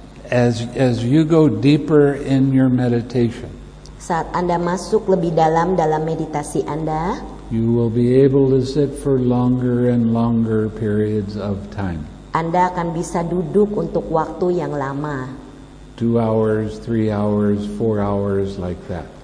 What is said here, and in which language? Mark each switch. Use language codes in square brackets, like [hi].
[en] As you go deeper in your meditation, [id] saat Anda masuk lebih dalam meditasi Anda, [en] you will be able to sit for longer and longer periods of time. [id] Anda akan bisa duduk untuk waktu yang lama. [en] 2 hours, 3 hours, 4 hours, like that.